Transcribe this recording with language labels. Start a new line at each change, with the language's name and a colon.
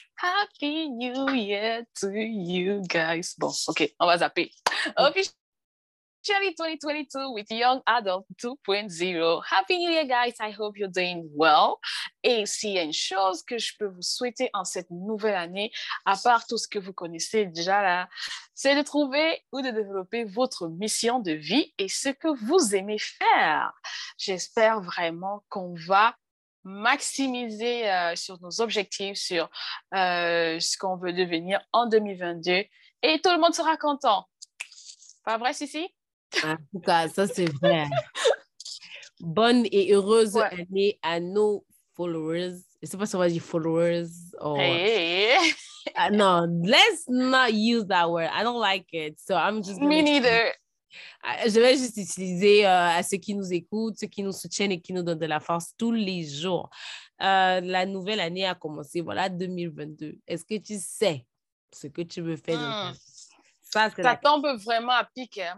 English: Happy New Year to you guys!
French: Bon, ok, on va zapper.
English: Officially 2022 with Young Adult 2.0. Happy New Year, guys! I hope you're doing well.
French: Et s'il y a une chose que je peux vous souhaiter en cette nouvelle année, à part tout ce que vous connaissez déjà là, c'est de trouver ou de développer votre mission de vie et ce que vous aimez faire. J'espère vraiment qu'on va maximiser sur nos objectifs, sur ce qu'on veut devenir en 2022 et tout le monde sera content. Pas vrai, Cici? En tout cas, ça c'est vrai. Bonne et heureuse année à nos followers. Je ne sais pas si on va dire followers.
English: Or... Hey.
French: Non,
English: let's not use that word. I don't like it. So I'm just me neither. Speak.
French: Je vais juste utiliser à ceux qui nous écoutent, ceux qui nous soutiennent et qui nous donnent de la force tous les jours. La nouvelle année a commencé, voilà, 2022. Est-ce que tu sais ce que tu veux faire? Ça tombe vraiment à pic. Hein?